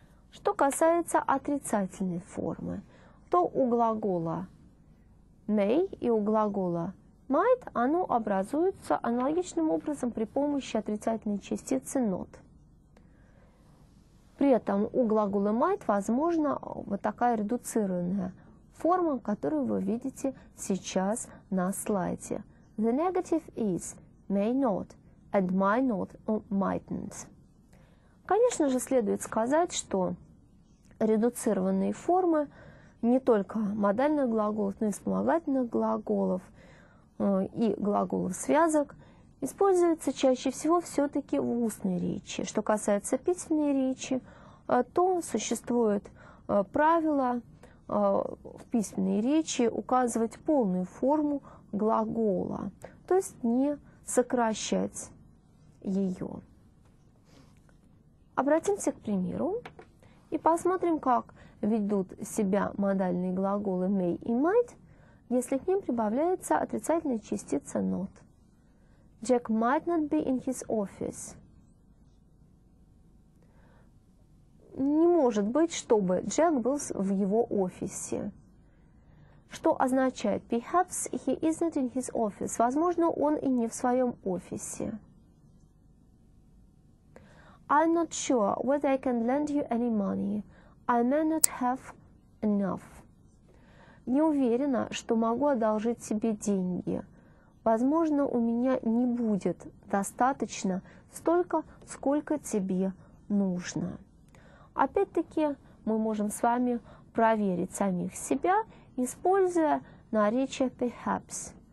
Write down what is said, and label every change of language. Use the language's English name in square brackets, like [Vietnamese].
[Russian] Что касается отрицательной формы, то у глагола may и у глагола might оно образуется аналогичным образом при помощи отрицательной частицы not. При этом у глагола might возможна вот такая редуцированная форма, которую вы видите сейчас на слайде. [English] The negative is may not and might not or mightn't. [Russian] Конечно же, следует сказать, что редуцированные формы не только модальных глаголов, но и вспомогательных глаголов и глаголов связок используются чаще всего все-таки в устной речи. Что касается письменной речи, то существует правило в письменной речи указывать полную форму глагола, то есть не сокращать ее. Обратимся к примеру и посмотрим, как ведут себя модальные глаголы may и might, если к ним прибавляется отрицательная частица not. [English] Jack might not be in his office. [Russian] Не может быть, чтобы Джек был в его офисе. Что означает [English] perhaps he isn't in his office. [Russian] Возможно, он и не в своем офисе. [English] I'm not sure whether I can lend you any money. I may not have enough. [Russian] Не уверена, что могу одолжить себе деньги. Возможно, у меня не будет достаточно столько, сколько тебе нужно. Опять-таки, мы можем с вами проверить самих себя, используя наречие perhaps.